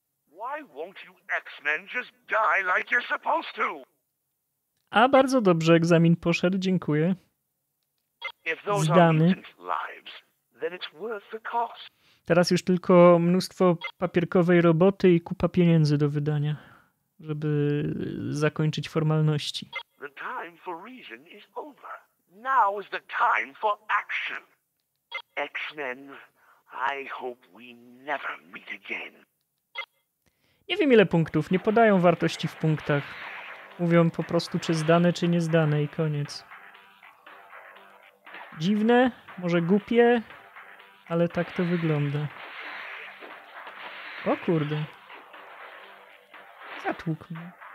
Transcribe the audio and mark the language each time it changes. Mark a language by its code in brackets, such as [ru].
[en] Why won't you X-Men just die like you're supposed to? [pl] A bardzo dobrze, egzamin poszedł, dziękuję. [en] If those are lives, then it's worth the cost. [pl] Teraz już tylko mnóstwo papierkowej roboty i kupa pieniędzy do wydania, żeby zakończyć formalności. [en] The time for reason is over. Now is the time for action. X-Men, I hope we never meet again. [pl] Nie wiem, ile punktów. Nie podają wartości w punktach. Mówią po prostu, czy zdane, czy niezdane i koniec. Dziwne, może głupie, ale tak to wygląda. O kurde. Zatłukł mnie.